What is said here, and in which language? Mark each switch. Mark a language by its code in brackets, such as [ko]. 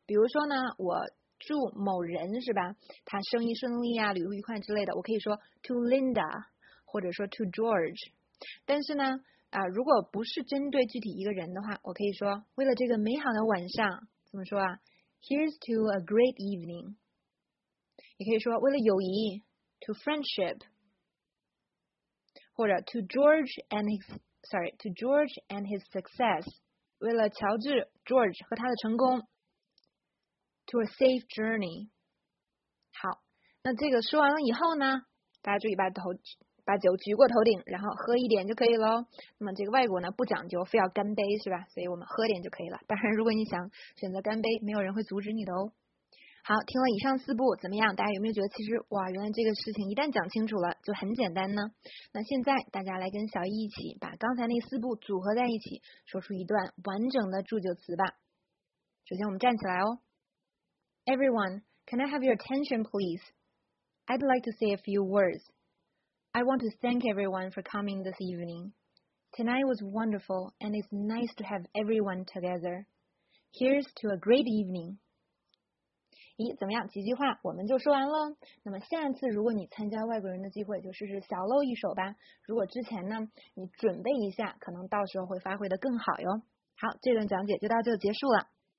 [zh] 比如说呢，我祝某人，是吧，他生意顺利啊，旅途愉快之类的，我可以说 [en] to Linda [zh] 或者说 [en] to George。 [zh] 但是呢如果不是针对具体一个人的话，我可以说为了这个美好的晚上，怎么说啊， [en] Here's to a great evening。 [zh] 也可以说为了友谊， [en] to friendship， [zh] 或者 [en] to George and his success， [zh] 为了乔治 George 和他的成功， [en] to a safe journey。 [zh] 好，那这个说完了以后呢，大家注意把酒举过头顶，然后喝一点就可以咯。那么这个外国呢不讲究非要干杯，是吧，所以我们喝点就可以了。当然如果你想选择干杯，没有人会阻止你的哦。好，听了以上四步怎么样，大家有没有觉得其实哇，原来这个事情一旦讲清楚了就很简单呢？那现在大家来跟小易一起把刚才那四步组合在一起，说出一段完整的祝酒词吧。首先我们站起来哦。 [en] Everyone, can I have your attention please? I'd like to say a few words. I want to thank everyone for coming this evening. Tonight was wonderful, and it's nice to have everyone together. Here's to a great evening. [zh] 咦，怎么样？几句话我们就说完了。那么下一次如果你参加外国人的机会，就试试小露一手吧。如果之前呢，你准备一下，可能到时候会发挥得更好哟。好，这段讲解就到这结束了。